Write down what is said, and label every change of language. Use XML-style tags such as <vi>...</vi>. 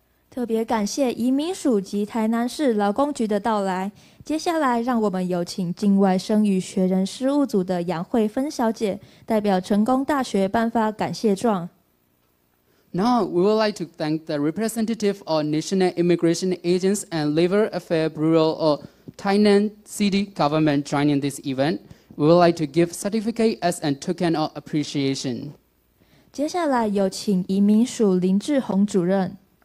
<zh>特别感谢移民署及台南市劳工局的到来。接下来，让我们有请境外生与学人事务组的杨慧芬小姐代表成功大学颁发感谢状。</zh> <en>Now, we would like to thank the representative of National Immigration Agents and Labor Affairs Bureau of Tainan City Government joining this event. We would like to give certificate as a token of appreciation.</en> <zh>接下来有请移民署林志宏主任。</zh>